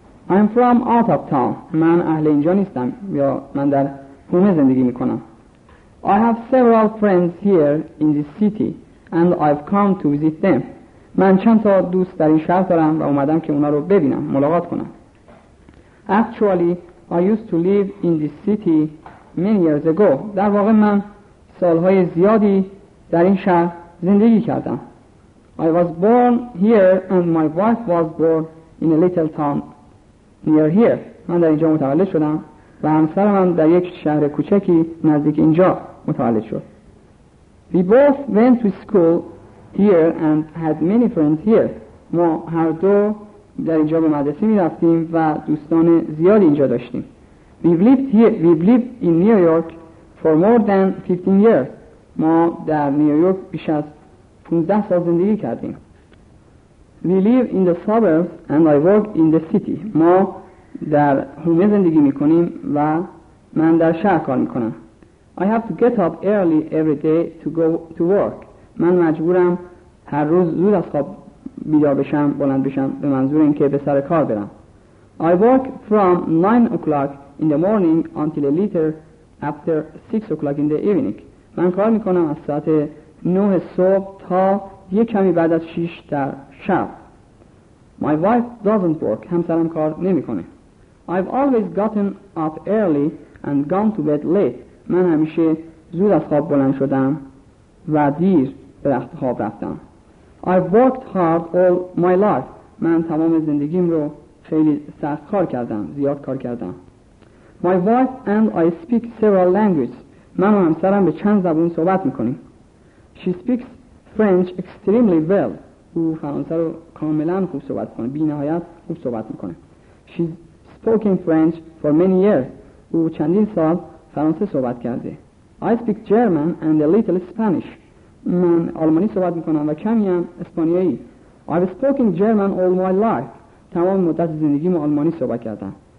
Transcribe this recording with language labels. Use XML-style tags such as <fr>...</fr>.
<en>I'm from out of town</en> <fa>من اهل اینجا نیستم یا من در حومه زندگی میکنم،</fa> <en>I have several friends here in this city and I've come to visit them</en> <fa>من چند تا دوست در این شهر دارم و اومدم که اونا رو ببینم، ملاقات کنم.</fa> <en>Actually, I used to live in this city many years ago.</en> <fa>در واقع من سالهای زیادی در این شهر زندگی کردم.</fa> <en>I was born here and my wife was born in a little town near here.</en> <fa>من در اینجا متولد شدم و همسرم در یک شهر کوچکی نزدیک اینجا متولد شد.</fa> <en>We both went to school here and had many friends here</en> <fa>ما هر دو در اینجا به مدرسه می رفتیم و دوستان زیادی اینجا داشتیم</fa> <en>We've lived in New York for more than 15 years</en> <fa>ما در نیویورک بیش از 15 سال زندگی کردیم</fa> <en>We live in the suburbs and I work in the city</en> <fa>ما در حومه زندگی می کنیم و من در شهر کار می کنم</fa> <en>I have to get up early every day to go to work</en> <fa>من مجبورم هر روز زود از خواب بیدار بشم بلند بشم به منظور اینکه به سر کار برم</fa> <en>I work from 9 o'clock in the morning until a later after 6 o'clock in the evening</en> <fa>من کار میکنم از ساعت 9 صبح تا یک کمی بعد از 6 در شب</fa> <en>My wife doesn't work.</en> <fa>همسرم کار نمی کنه.</fa> <en>I've always gotten up early and gone to bed late.</en> <fa>من همیشه زود از خواب بلند شدم و دیر به رخت خواب رفتم.</fa> <en>I've worked hard all my life.</en> <fa>من تمام زندگیم رو خیلی سخت کار کردم. زیاد کار کردم.</fa> <en>My wife and I speak several languages.</en> <fa>من و همسرم به چند زبان صحبت میکنیم.</fa> <en>She speaks French extremely well.</en> <fa>او فرانسه رو کاملا خوب صحبت میکنه. بی نهایت خوب صحبت میکنه.</fa> <en>She's spoken French for many years.</en> <fa>او چندین سال فرانسه صحبت کرده.</fa> <en>I speak German and a little Spanish.</en> <fa>من آلمانی صحبت میکنم و کمی هم اسپانیایی.</fa> <en>I've spoken German all my life.</en> <fa>تمام مدت زندگیم آلمانی صحبت کردم.</fa>